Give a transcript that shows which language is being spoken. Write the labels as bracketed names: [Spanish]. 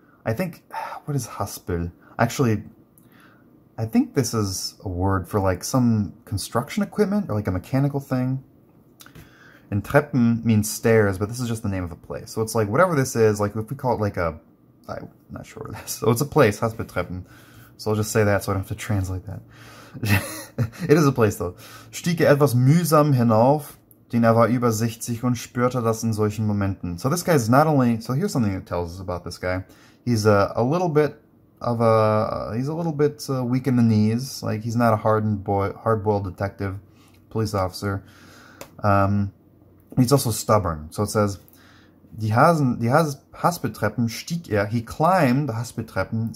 [English] I think, what is Haspel? Actually, I think this is a word for like some construction equipment or like a mechanical thing. And Treppen means stairs, but this is just the name of a place. So it's like whatever this is, like if we call it like a, I'm not sure what it is. So it's a place, Haspeltreppen. So I'll just say that so I don't have to translate that. It is a place though. [German] Stieg etwas mühsam hinauf, denn war über 60 und spürte das in solchen Momenten. [English] So this guy is not only, so here's something that tells us about this guy. He's a little bit of a, he's a little bit weak in the knees. Like he's not a hard-boiled detective, police officer. He's also stubborn. So it says, Haspeltreppen stieg he climbed the Haspeltreppen.